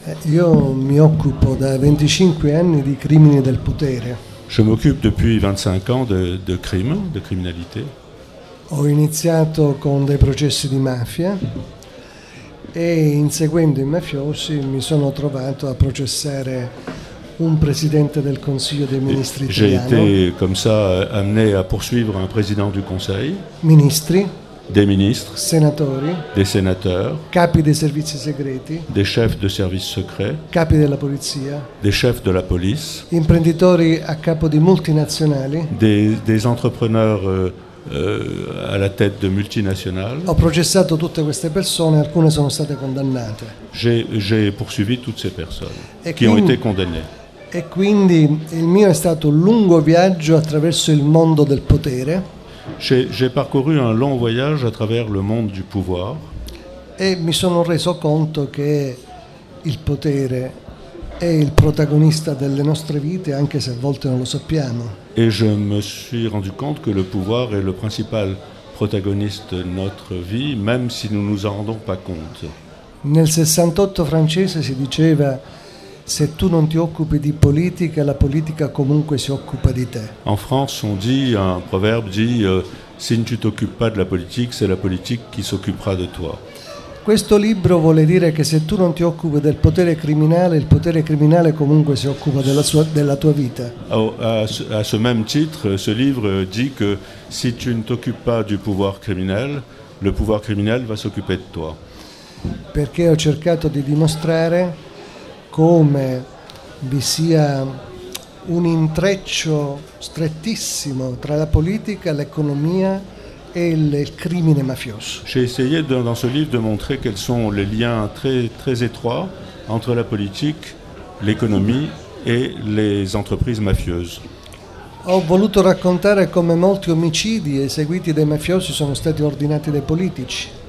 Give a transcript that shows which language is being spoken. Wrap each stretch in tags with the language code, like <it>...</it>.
<it>Io mi occupo da 25 anni di crimini del potere.</it> <fr>Je m'occupe depuis 25 ans de crimes, de criminalité.</fr> <it>Ho iniziato con dei processi di mafia e inseguendo i mafiosi mi sono trovato a processare un presidente del Consiglio dei ministri italiano.</it> <fr>J'ai été comme ça amené à poursuivre un président du Conseil.</fr> <it>Ministri.</it> <fr>Des ministres, sénateurs, des sénateurs,</fr> <it>capi dei servizi segreti,</it> <fr>des chefs de services secrets,</fr> <it>capi della polizia,</it> <fr>des chefs de la police,</fr> <it>imprenditori a capo di multinazionali,</it> <fr>des entrepreneurs alla tête de multinationales.</fr> <it>Ho processato tutte queste persone, alcune sono state condannate.</it> <fr>J'ai poursuivi toutes ces personnes et qui quindi, ont été condamnées.</fr> <it>E quindi il mio è stato un lungo viaggio attraverso il mondo del potere.</it> <fr>J'ai parcouru un long voyage à travers le monde du pouvoir.</fr> <it>E mi sono reso conto che il potere è il protagonista delle nostre vite, anche se a volte non lo sappiamo.</it> <fr>Et je me suis rendu compte que le pouvoir est le principal protagoniste de notre vie, même si nous ne nous en rendons pas compte.</fr> <it>Nel 68 francese si diceva: se tu non ti occupi di politica, la politica comunque si occupa di te.</it> <fr>En France, on dit, un proverbe dit: si tu t'occupes pas de la politique, c'est la politique qui s'occupera de toi.</fr> <it>Questo libro vuole dire che se tu non ti occupi del potere criminale, il potere criminale comunque si occupa della tua vita.</it> <fr>A ce même titre, ce livre dit que si tu ne t'occupes pas du pouvoir criminel, le pouvoir criminel va s'occuper de toi.</fr> <it>Perché ho cercato di dimostrare come vi sia un intreccio strettissimo tra la politica, l'economia e il crimine mafioso.</it> <fr>J'ai essayé dans ce livre de montrer quels sont les liens très très étroits entre la politique, l'économie et les entreprises mafieuses.</fr> <it>Ho voluto raccontare come molti omicidi eseguiti dai mafiosi sono stati ordinati dai politici.</it>